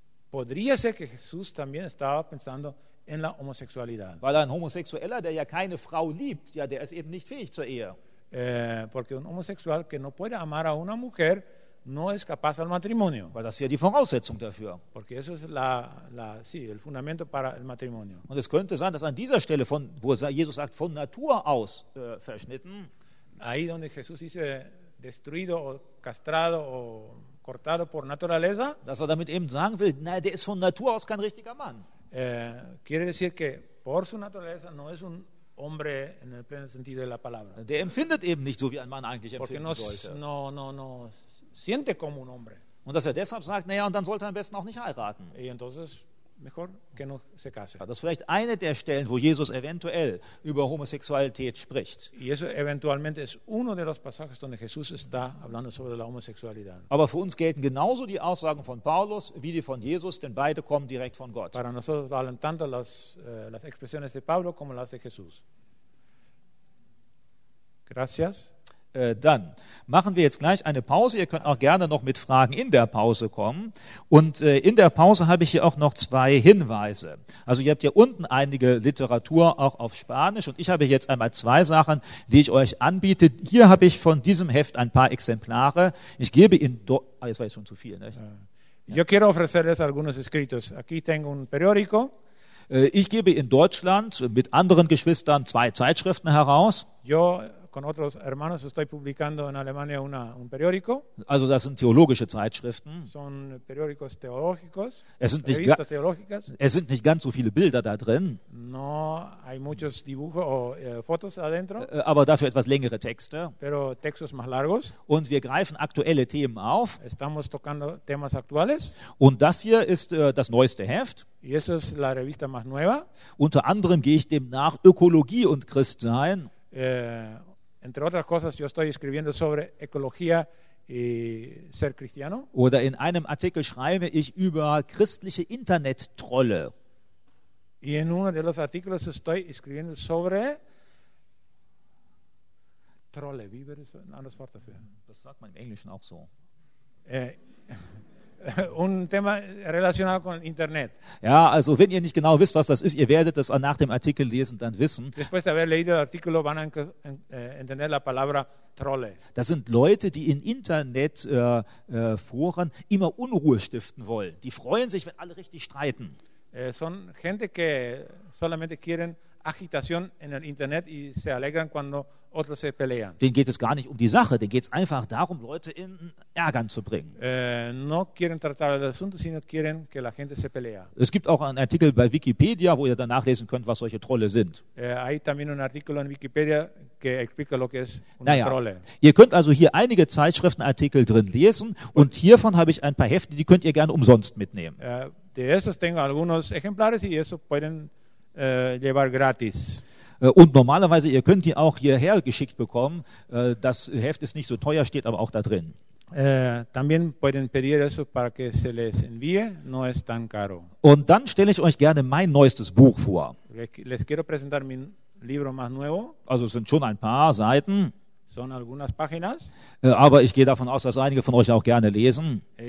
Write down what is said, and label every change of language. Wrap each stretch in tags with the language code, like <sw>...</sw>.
<es>Podría ser que Jesús también estaba pensando en la homosexualidad.</es> <de>Weil ein Homosexueller, der ja keine Frau liebt, ja, der ist eben nicht fähig zur Ehe.</de> <es>porque un homosexual que no puede amar a una mujer no es capaz al matrimonio.</es> <de>Weil das ist ja die Voraussetzung dafür.</de> <es>Porque eso es la sí, el fundamento para el matrimonio.</es> <de>Und es könnte sein, dass an dieser Stelle von wo Jesus sagt von Natur aus verschnitten,</de> <es>ahí donde Jesús dice destruido o castrado o cortado por naturaleza,</es> <de>dass er damit eben sagen will, nein, der ist von Natur aus kein richtiger Mann.</de> <es>Quiere decir que por su naturaleza no es un hombre en el pleno sentido de la palabra.</es> <de>Der empfindet eben nicht so wie ein Mann eigentlich</de> <es>porque</es> <de>empfinden</de> <es>no,</es> <de>sollte.</de> <es>No siente como un hombre.</es> <de>Und dass er deshalb sagt, naja, und dann sollte er am besten auch nicht heiraten.</de> <es>Y entonces, mejor que no se case.</es> <de>Das ist vielleicht eine der Stellen, wo Jesus eventuell über Homosexualität spricht.</de> <es>Y eso eventualmente es uno de los pasajes donde Jesús está hablando sobre la homosexualidad.</es> <de>Aber für uns gelten genauso die Aussagen von Paulus wie die von Jesus, denn beide kommen direkt von Gott.</de> <es>Para nosotros valen tanto las expresiones de Pablo como las de Jesús. Gracias.</es> <de>Dann machen wir jetzt gleich eine Pause. Ihr könnt auch gerne noch mit Fragen in der Pause kommen. Und in der Pause habe ich hier auch noch zwei Hinweise. Also ihr habt hier unten einige Literatur auch auf Spanisch. Und ich habe jetzt einmal zwei Sachen, die ich euch anbiete. Hier habe ich von diesem Heft ein paar Exemplare. Ich gebe Ihnen jetzt war ich schon zu viel, ne?</de> <es>Yo quiero ofrecerles algunos escritos. Aquí tengo un periódico.</es> <de>Ich gebe in Deutschland mit anderen Geschwistern zwei Zeitschriften heraus.</de> <es>Yo con otros hermanos estoy publicando en Alemania un periódico.</es> <de>Also das sind theologische Zeitschriften.</de> <es>Son periódicos teológicos.</es> <de>Es sind nicht ganz so viele Bilder da drin.</de> <es>No hay muchos dibujos o fotos adentro.</es> <de>Aber dafür etwas längere Texte.</de> <es>Pero textos más largos.</es> <de>Und wir greifen aktuelle Themen auf.</de> <es>Estamos tocando temas actuales.</es> <de>Und das hier ist das neueste Heft.</de> <es>Y eso es la revista más nueva.</es> <de>Unter anderem gehe ich dem nach Ökologie und Christsein.</de> <es>Entre otras cosas, yo estoy escribiendo sobre ecología y ser cristiano.</es> <de>Oder in einem Artikel schreibe ich über christliche Internet-Trolle.</de> <es>Y en uno de los artículos estoy escribiendo sobre Trolle.</es> <de>Wie wäre ein anderes Wort dafür? Das sagt man im Englischen auch so.</de> <es>Un tema relacionado con Internet.</es> <de>Ja, also wenn ihr nicht genau wisst, was das ist, ihr werdet das nach dem Artikel lesen, dann wissen.</de> <es>Después de haber leído el artículo, van a entender la palabra trolle.</es> <de>Das sind Leute, die in Internetforen immer Unruhe stiften wollen. Die freuen sich, wenn alle richtig streiten.</de> <es>Son gente que solamente quieren agitación en el Internet y se alegran cuando otros se pelean.</es> <de>Denen geht es gar nicht um die Sache, denen geht es einfach darum, Leute in Ärgern zu bringen.</de> <es>No quieren tratar el asunto, sino quieren que la gente se pelea.</es> <de>Es gibt auch einen Artikel bei Wikipedia, wo ihr dann nachlesen könnt, was solche Trolle sind.</de> <es>Hay también un artículo en Wikipedia que explica lo que es una trolle.</es> <de>Ihr könnt also hier einige Zeitschriftenartikel drin lesen und hiervon habe ich ein paar Hefte, die könnt ihr gerne umsonst mitnehmen.</de> <es>De esos tengo algunos ejemplares y eso pueden llevar gratis.</es> <de>Und normalerweise, ihr könnt die auch hierher geschickt bekommen. Das Heft ist nicht so teuer, steht aber auch da drin.</de> <es>También pueden pedir eso para que se les envíe. No es tan caro.</es> <de>Und dann stelle ich euch gerne mein neuestes Buch vor.</de> <es>Les quiero presentar mi libro más nuevo.</es> <de>Also es sind schon ein paar Seiten.</de> <es>Son algunas páginas.</es> <de>Aber ich gehe davon aus, dass einige von euch auch gerne lesen.</de>